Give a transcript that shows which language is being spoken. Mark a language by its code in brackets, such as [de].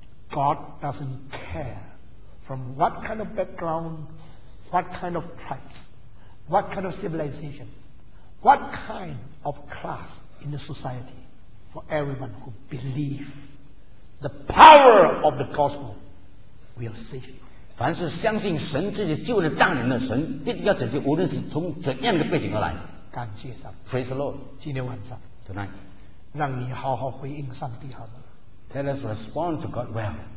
[en] God doesn't care from what kind of background,What kind of tribes? What kind of civilization? What kind of class in the society? For everyone who believes, the power of the gospel will save you. [zh] 凡是相信神自己救了大人的神，一定要拯救，无论是从怎样的背景而来。感谢上帝。 [en] Praise the Lord. [zh] 今天晚上。 [en] Tonight. [zh] 让你好好回应上帝好吗 [en] ？Let us respond to God well.